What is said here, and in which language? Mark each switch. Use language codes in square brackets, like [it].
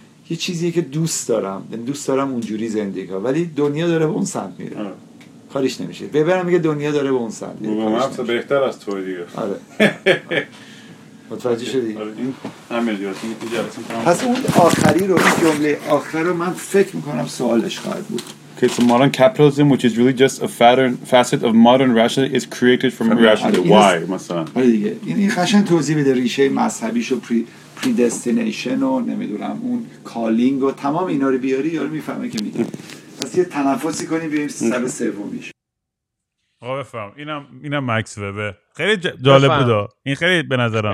[fa] یه چیزیه که دوست دارم، یعنی دوست دارم اونجوری زندگی کنم، ولی دنیا داره به اون سمت میره. خالیش نمیشه. ببرم میگه دنیا داره به اون سمت. بابا مفت بهتر از توی دیگه. آره. متوجه شدی؟ آره. این عملیاتی پس اون آخری رو، این جمله آخر رو من فکر میکنم سوالش خواهد بود. [en] Okay, so modern capitalism, which is really just a facet of modern rationality, is created from irrationality. Why, مثلا؟ [fa] آره دیگه. این خشن توضیح بده ریشه مذهبیش و predestination و نمیدونم اون calling و تمام اینا رو بیاری یا رو میفهمه که میگه. بس یه تنفسی کنی بیاییم سر سومیش. آقا بفهم، اینم مکس وبه، خیلی جالب بودا این، خیلی به نظرم